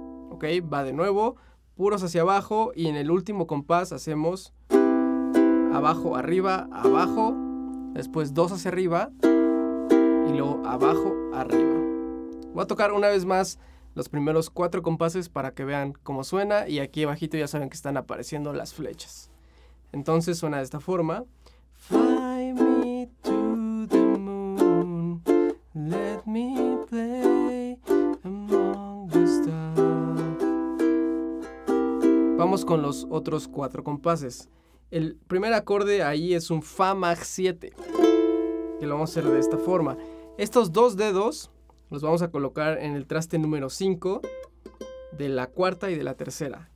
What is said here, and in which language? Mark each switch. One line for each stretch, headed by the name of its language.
Spanish: Ok, va de nuevo, puros hacia abajo y en el último compás hacemos abajo, arriba, abajo, después dos hacia arriba y luego abajo, arriba. Voy a tocar una vez más los primeros cuatro compases para que vean cómo suena. Y aquí abajito ya saben que están apareciendo las flechas. Entonces suena de esta forma.
English: Fly me to the moon, let me play among the stars.
Spanish: Vamos con los otros cuatro compases. El primer acorde ahí es un Fa maj 7. Que lo vamos a hacer de esta forma. Estos dos dedos los vamos a colocar en el traste número 5 de la cuarta y de la tercera.